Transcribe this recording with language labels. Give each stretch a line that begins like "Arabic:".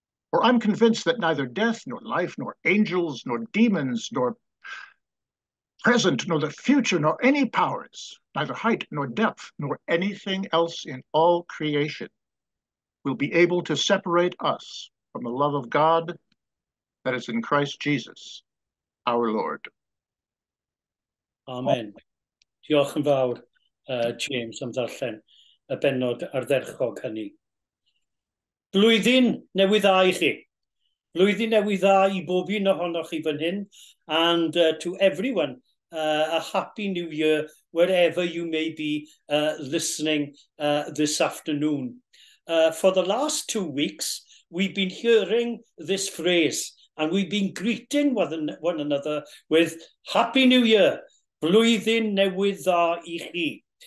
English: For I'm convinced that neither death, nor life, nor angels, nor demons, nor present, nor the future, nor any powers, neither height, nor depth, nor anything else in all creation will be able to separate us from the love of God that is in Christ Jesus, our Lord. Amen.
Welsh: Diolch yn fawr, James, am ddarllen y bennod ardderchog hynny. Blwyddyn newydd dda i chi. Blwyddyn newydd dda i bob un ohonoch chi fan hyn.
English: And to everyone, a happy new year, wherever you may be listening this afternoon. For the last 2 weeks, we've been hearing this phrase, and we've been greeting one another with Happy New Year,
Welsh: Blwyddyn newydd dda i chi.